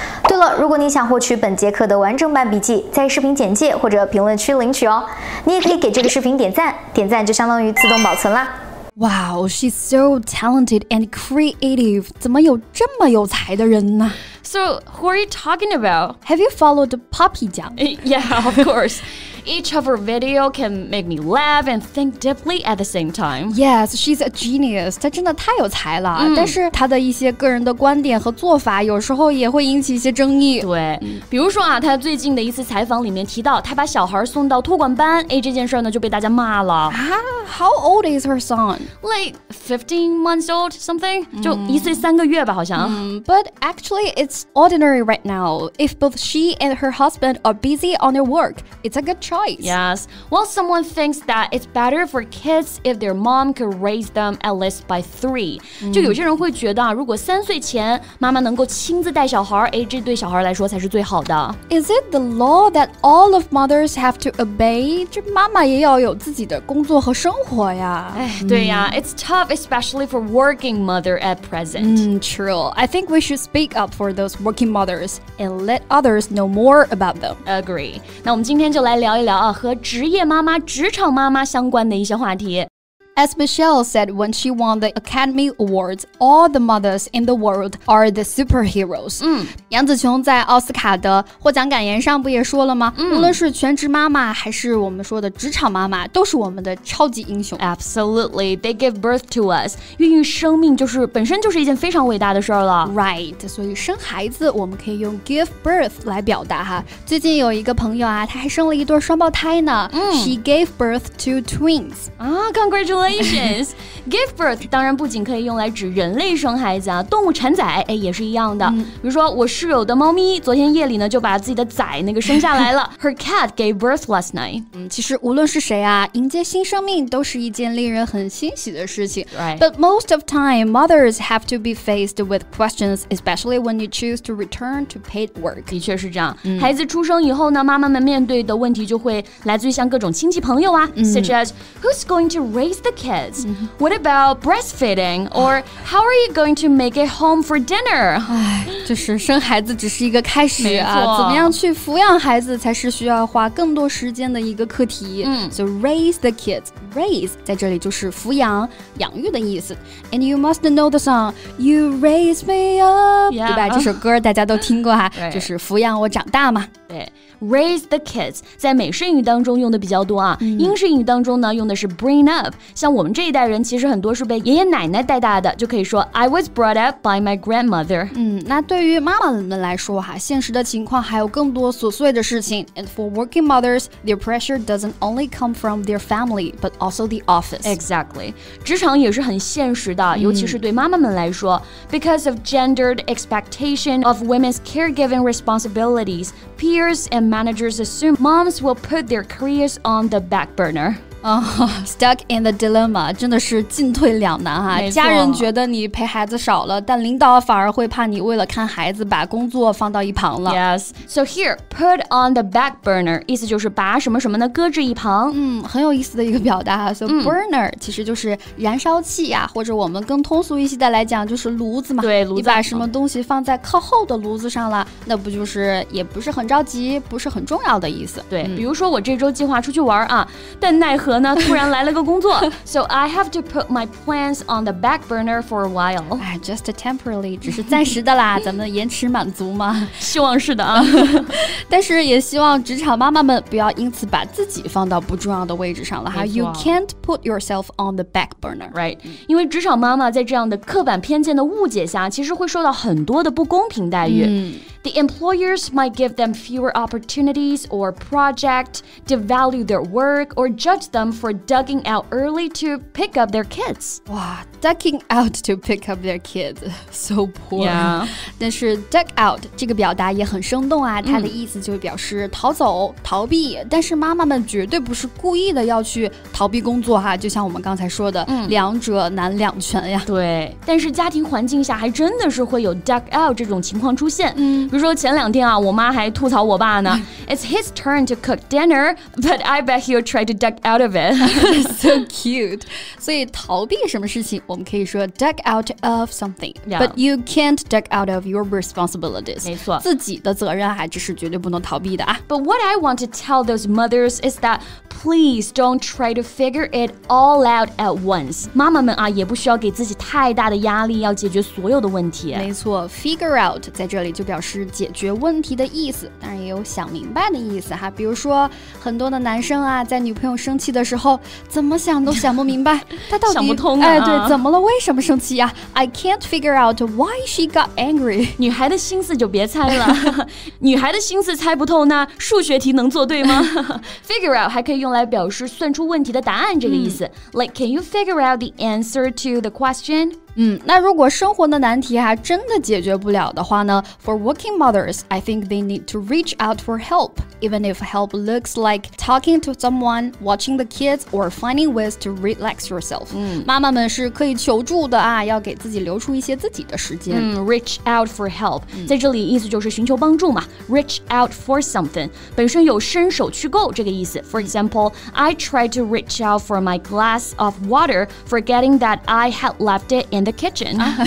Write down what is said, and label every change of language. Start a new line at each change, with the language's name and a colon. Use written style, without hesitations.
Chinese: 对了，如果你想获取本节课的完整版笔记，在视频简介或者评论区领取哦。你也可以给这个视频点赞，点赞就相当于自动保存啦。
English: Wow, she's so talented and creative.
Chinese: 怎么有这么有才的人呢？
English: So, who are you talking about? Have you followed Poppy Jiang? Yeah, of course. Each of her video can make me laugh and think deeply at the same time. Yes, she's a genius.
Chinese: 她真的太有才了、
English: mm.
Chinese: 但是她的一些个人的观点和做法有时候也会引起一些争议。对、mm. 比如说啊，她最近的一次采访里面提到她把小孩送到托管班，哎，这件事呢就被大家骂了。
English: 啊 How old is her son? Like 15 months old, something?、Mm.
Chinese: 就一岁三个月吧好像。
English: But actually, it's ordinary right now. If both she and her husband are busy on their work, it's a good choice. Yes. Well, someone thinks that it's better for kids if their mom could raise them at least by three.、Mm.
Chinese: 就有些人会觉得、啊、如果三岁前妈妈能够亲自带小孩，哎，这对小孩来说才是最好的。
English: Is it the law that all of mothers have to obey?
Chinese: 这妈妈也要有自己的工作和生活呀。哎，对呀、
English: 啊 mm. It's tough, especially for working mother at present.、 Mm, true. I think we should speak up for those working mothers and let others know more about them. Agree.
Chinese: 那我们今天就来聊一聊、啊、和职业妈妈、职场妈妈相关的一些话题。
English: As Michelle said when she won the Academy Awards, all the mothers in the world are the superheroes.
Chinese: 嗯，杨紫琼在奥斯卡的获奖感言上不也说了吗、嗯、无论是全职妈妈还是我们说的职场妈妈都是我们的超级英雄。
English: Absolutely, they give birth to us.
Chinese: 孕育生命就是本身就是一件非常伟大的事了。 Right, 所以生孩子我们可以用 give birth 来表达哈。最近有一个朋友啊，她还生了一对双胞胎呢。嗯、
English: She gave birth to twins. Congratulations.
Chinese: Give birth 当然不仅可以用来指人类生孩子啊，动物产崽也是一样的、嗯、比如说我室友的猫咪昨天夜里呢就把自己的崽那个生下来了
English: Her cat gave birth last night、
Chinese: 嗯、其实无论是谁啊，迎接新生命都是一件令人很欣喜的事情、
English: right. But most of time, mothers have to be faced with questions especially when you choose to return to paid work
Chinese: 的确是这样、嗯、孩子出生以后呢，妈妈们面对的问题就会来自于像各种亲戚朋友啊、嗯、
English: Such as, who's going to raise the kids. What about breastfeeding? Or how are you going to make it home for dinner?
Chinese: 唉，就是生孩子只是一个开始啊，怎么样去抚养孩子才是需要花更多时间的一个课题。
English: So raise the kids.
Chinese: Raise 在这里就是抚养、养育的意思。
English: And you must know the song, You Raise Me Up. Yeah,
Chinese: 对吧？这首歌大家都听过哈、
English: right.
Chinese: 就是抚养我长大嘛。 Raise the kids 在美式英语当中用的比较多啊、嗯、英式英语当中呢用的是 bring up 像我们这一代人其实很多是被爷爷奶奶带大的就可以说
English: I was brought up by my grandmother、嗯、
Chinese: 那对于妈妈们来说、啊、现实的情况还有更多琐碎的事情
English: And for working mothers their pressure doesn't only come from their family but also the office Exactly
Chinese: 职场也是很现实的尤其是对妈妈们来说、嗯、
English: Because of gendered expectation of women's caregiving responsibilities peers andmanagers assume moms will put their careers on the back burner. Stuck in the dilemma,
Chinese: 真的是进退两难哈。家人觉得你陪孩子少了，但领导反而会怕你为了看孩子把工作放到一旁了。
English: Yes, so here,
Chinese: put on the back burner, 意思就是把什么什么呢搁置一旁。嗯，很有意思的一个表达哈。 So burner、嗯、其实就是燃烧器呀、啊，或者我们更通俗一些的来讲就是炉子嘛。对，炉子。你把什么东西放在靠后的炉子上了，那不就是也不是很着急，不是很重要的意思。对，嗯、比如说我这周计划出去玩啊，但奈何。突然来了个工作
English: So I have to put my plans on the back burner for a while Just temporarily
Chinese: 只是暂时的啦咱们延迟满足吗希望是的啊但是也希望职场妈妈们不要因此把自己放到不重要的位置上了
English: You can't put yourself on the back burner Right
Chinese: 因为职场妈妈在这样的刻板偏见的误解下其实会受到很多的不公平待遇、嗯
English: The employers might give them fewer opportunities or project, devalue their work, or judge them for dugging out early to pick up their kids. 哇，ducking out to pick up their kids. So poor. Yeah.
Chinese: 但是 duck out 这个表达也很生动啊，它的意思就是表示逃走、逃避。但是妈妈们绝对不是故意的要去逃避工作哈，就像我们刚才说的，两者难两全呀。对，但是家庭环境下还真的是会有 duck out 这种情况出现。比如说前两天啊，我妈还吐槽我爸呢。
English: It's his turn to cook dinner, but I bet he'll try to duck out of it. So cute.
Chinese: 所以逃避什么事情，我们可以说 duck out of something.
English: Yeah. But you can't duck out of your responsibilities.
Chinese: 没错。自己的责任还只是绝对不能逃避的啊。
English: But what I want to tell those mothers is that please don't try to figure it all out at once.
Chinese: 妈妈们啊，也不需要给自己太大的压力，要解决所有的问题。没错 ,figure out 在这里就表示解决问题的意思，当然也有想明白的意思哈，比如说很多的男生啊，在女朋友生气的时候怎么想都想不明白他到底想不通啊，哎，对，怎么了，为什么生气啊，
English: I can't figure out why she got angry，
Chinese: 女孩的心思就别猜了女孩的心思猜不透，那数学题能做对吗？ figure out 还可以用来表示算出问题的答案这个意思，
English: like can you figure out the answer to the question？
Chinese: 那如果生活的难题还真的解决不了的话呢，
English: For working mothers, I think they need to reach out for help, even if help looks like talking to someone, watching the kids, or finding ways to relax yourself.
Chinese: 妈妈们是可以求助的啊，要给自己留出一些自己的时间。 Reach out for help, 在这里意思就是寻求帮助嘛。 Reach out for something, 本身有伸手去够这个意思。
English: For example, I tried to reach out for my glass of water, forgetting that I had left it in the kitchen.